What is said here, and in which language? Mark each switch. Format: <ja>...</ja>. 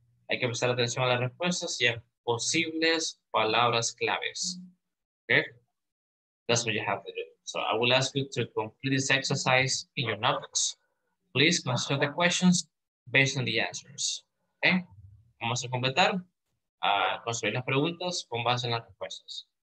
<es>Hay que prestar atención a las respuestas y a posibles palabras claves.</es> <en>Okay? That's what you have to do. So I will ask you to complete this exercise in your notebooks. Please consider the questions based on the answers. Okay?</en> <es>Vamos a completar, a construir las preguntas con base en las respuestas.</es>